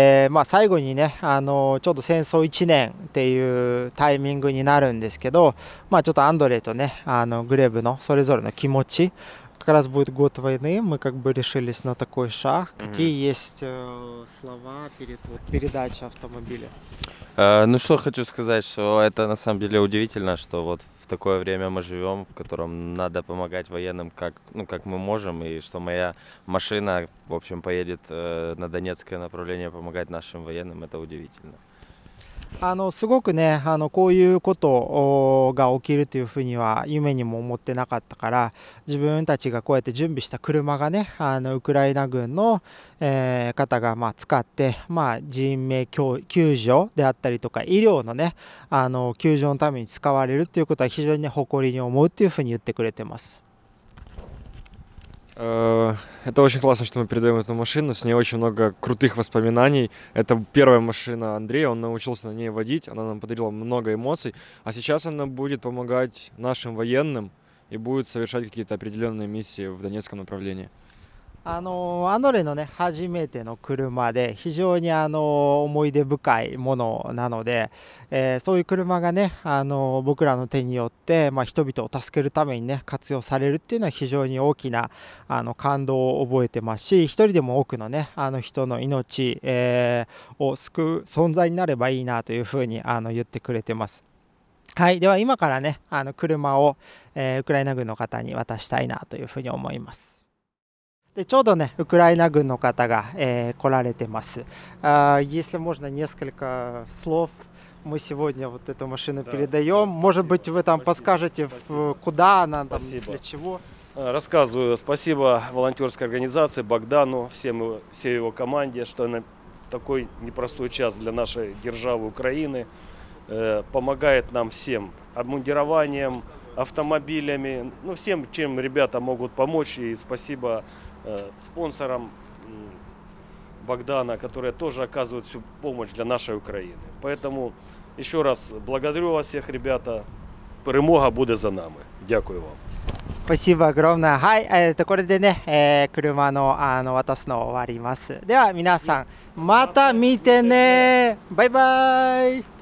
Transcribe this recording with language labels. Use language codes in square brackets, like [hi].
[ja] まあ、最後にね、ちょっと戦争1年っていうタイミングになるんですけど、まあ、ちょっとアンドレイとね、グレブのそれぞれの気持ち、 [ru] как раз будет год войны, мы как бы решились на такой шаг. Какие есть слова перед вот, передачей автомобиля? Ну что хочу сказать, что это на самом деле удивительно, что вот в такое время мы живем, в котором надо помогать военным, как, ну, как мы можем, и что моя машина, в общем, поедет на Донецкое направление помогать нашим военным, это удивительно. [ja] すごくね、こういうことが起きるというふうには夢にも思ってなかったから、自分たちがこうやって準備した車がね、ウクライナ軍の、方がまあ使って、まあ、人命救助であったりとか医療のね、救助のために使われるということは非常に、ね、誇りに思うというふうに言ってくれてます。 [ru] Это очень классно, что мы передаем эту машину. С ней очень много крутых воспоминаний. Это первая машина Андрея. Он научился на ней водить. Она нам подарила много эмоций. А сейчас она будет помогать нашим военным и будет совершать какие-то определенные миссии в Донецком направлении. [ja] アンドレイの、ね、初めての車で非常に思い出深いものなので、そういう車が、ね、僕らの手によって、まあ、人々を助けるために、ね、活用されるっていうのは非常に大きな感動を覚えてますし、一人でも多くの、ね、人の命、を救う存在になればいいなというふうに言ってくれてます。はい、では今から、ね、車を、ウクライナ軍の方に渡したいなというふうに思います。でちょうどね、ウクライナ軍の方が、来られてます。 [ru] если можно несколько слов, мы сегодня вот эту машину передаем. Может быть, вы там подскажете, куда она, там, для чего? Рассказываю. Спасибо волонтерской организации, Богдану, всей его команде, что она такой непростой час для нашей державы Украины. Помогает нам всем обмундированием, автомобилями, ну, всем, чем ребята могут помочь. И спасибо спонсором Богдана, которые тоже оказывают всю помощь для нашей Украины. Поэтому еще раз благодарю вас всех, ребята. Перемога будет за нами. [uk] Дякую вам. [ru] Спасибо огромное. [ja] Хай, これでね、車の渡すのを終わります。では皆さん、また見てね。バイバイ。